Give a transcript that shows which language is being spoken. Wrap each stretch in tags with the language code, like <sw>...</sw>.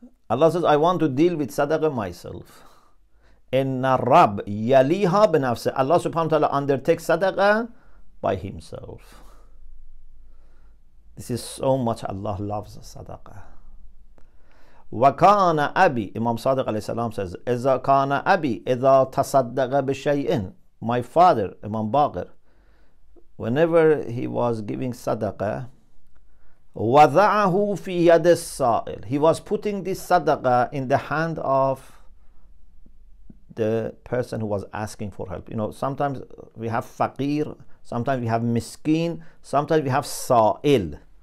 <en>Allah says, I want to deal with sadaqah myself.</en> <ar>إِنَّ الرَّبْ يَلِيهَا بِنَفْسِ.</ar> <en>Allah subhanahu wa ta'ala undertakes sadaqah by himself. This is so much Allah loves sadaqah.</en> <ar>وَكَانَ أَبِي.</ar> <en>Imam Sadiq alayhi salam says,</en> <ar>إِذَا كَانَ أَبِي إِذَا تَصَدَّقَ بِشَيْءٍ.</ar> <en>My father, Imam Baqir, whenever he was giving sadaqah,</en> <ar>وَضَعَهُ فِي يَدِ السَّائِلِ,</ar> <en>he was putting this sadaqah in the hand of the person who was asking for help. You know, sometimes we have faqir, sometimes we have miskin, sometimes we have sa'il.</en>